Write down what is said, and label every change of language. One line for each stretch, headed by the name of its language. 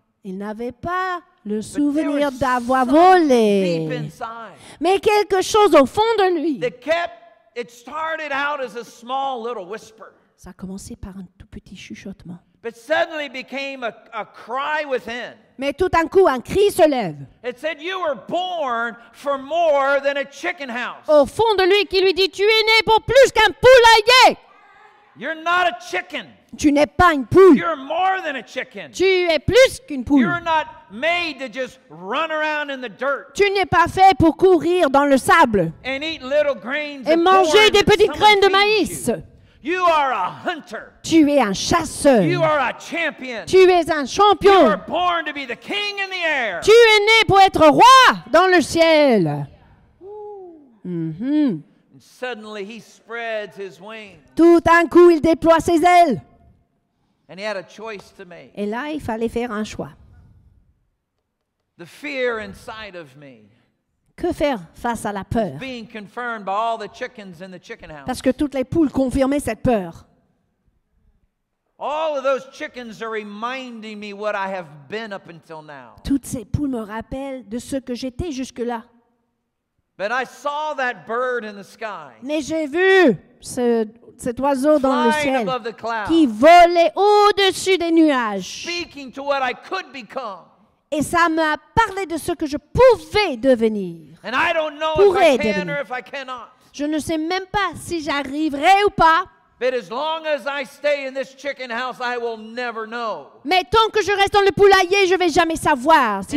French: Il n'avait pas le souvenir d'avoir volé. Mais quelque chose au fond de lui. Ça a commencé par un tout petit chuchotement.
English: But suddenly became a cry within.
French: Mais tout d'un coup, un cri se lève.
English: It said you were born for more than a chicken house.
French: Au fond de lui, qui lui dit, tu es né pour plus qu'un poulailler.
English: You're not a chicken.
French: Tu n'es pas une poule.
English: You're more than a chicken.
French: Tu es plus qu'une poule.
English: You're not made to just run around in the dirt.
French: Tu n'es pas fait pour courir dans le sable.
English: And eat little grains.
French: Et manger des petites graines de maïs.
English: You are a hunter.
French: Tu es un chasseur.
English: You are a champion.
French: Tu es un champion.
English: You are born to be the king in the air.
French: Tu es né pour être roi dans le ciel. Mm-hmm.
English: And suddenly he spreads his wings.
French: Tout d'un coup, il déploie ses ailes.
English: And he had a choice to make.
French: Et là, il fallait faire un choix.
English: The fear inside of me.
French: Que faire face à la peur?
English: Being confirmed by all the chickens in the chicken house.
French: Parce que toutes les poules confirmaient cette peur.
English: All of those chickens are reminding me what I have been up until now.
French: Toutes ces poules me rappellent de ce que j'étais jusque-là.
English: But I saw that bird in the sky.
French: Mais j'ai vu cet oiseau dans le ciel
English: above the clouds,
French: qui volait au-dessus des nuages.
English: Speaking to what I could become.
French: Et ça m'a parlé de ce que je pouvais devenir.
English: And I don't know if I can or if I cannot.
French: Je ne sais même pas si j'arriverai ou pas.
English: But as long as I stay in this chicken house, I will never know.
French: Mais tant que je reste dans le poulailler, je ne vais jamais savoir si